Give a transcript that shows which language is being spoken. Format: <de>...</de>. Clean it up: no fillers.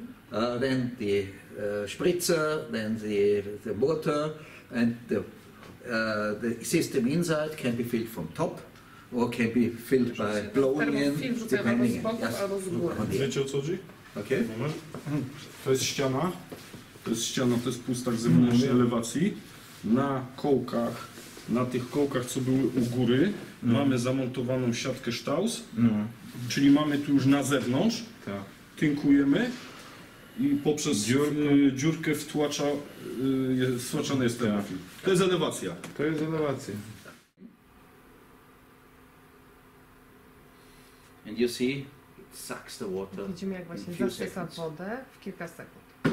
<en>Then the Spritzer, then the mortar, and the system inside can be filled from top, or can be filled by blowing in, depending.</en> <pl>Wiecie, o co chodzi?</pl> <en>Okay.</en> <pl>To jest ściana. To jest ściana, to jest pustak zewnętrznej elewacji. Na kołkach, na tych kołkach, co były u góry, mamy zamontowaną siatkę Staus, czyli mamy tu już na zewnątrz, tynkujemy. I poprzez dziurkę wtłaczany jest ten profil. To jest elewacja. To jest elewacja.</pl> <en>And you see, it sucks the water.</en> <pl>Widzimy, jak właśnie zasysa wodę w kilka sekund.</pl>